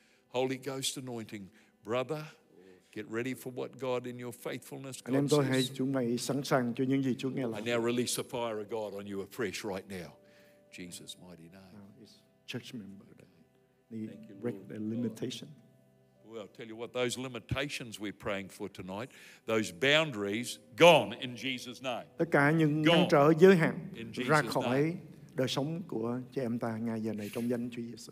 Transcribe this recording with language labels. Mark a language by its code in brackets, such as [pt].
[en] Holy Ghost anointing. Brother, get ready for what God in your faithfulness God says. [vi] Hãy chuẩn bị sẵn sàng cho những gì Chúa nghe lời. [en] I now release the fire of God on you afresh right now. Jesus' mighty name. Church member, they break the limitation. Well, I'll tell you what, those limitations we're praying for tonight, those boundaries, gone in Jesus' name. [vi] Tất cả những ngăn trở giới hạn ra khỏi đời sống của chị em ta ngay giờ này trong danh Chúa Giê-xu.